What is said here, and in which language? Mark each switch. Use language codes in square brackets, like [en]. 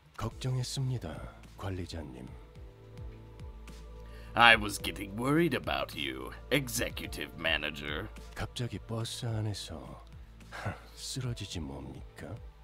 [ko] 걱정했습니다, 관리자님. [en] I was getting worried about you, executive manager. [ko] 갑자기 버스 안에서 쓰러지지 뭡니까?